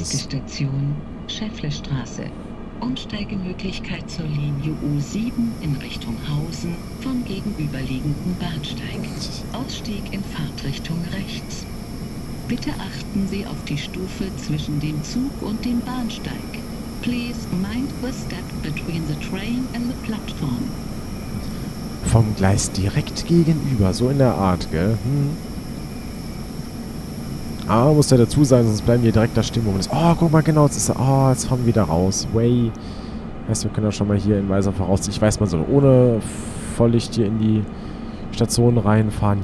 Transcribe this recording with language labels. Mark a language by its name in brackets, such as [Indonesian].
[German] Nächste Station, Schäfflestraße. Umsteigemöglichkeit zur Linie U7 in Richtung Hausen vom gegenüberliegenden Bahnsteig. Ausstieg in Fahrtrichtung rechts. Bitte achten Sie auf die Stufe zwischen dem Zug und dem Bahnsteig. [English] Please mind the step between the train and the platform. [German] Vom Gleis direkt gegenüber, so in der Art, gell? Hm. Ah, muss ja dazu sein, sonst bleiben wir direkt da stehen, wo man ist. Oh, guck mal, genau, jetzt fahren wir wieder raus. Way. Heißt, wir können ja schon mal hier in weiser Voraussicht, ich weiß mal so, ohne Volllicht hier in die Station reinfahren.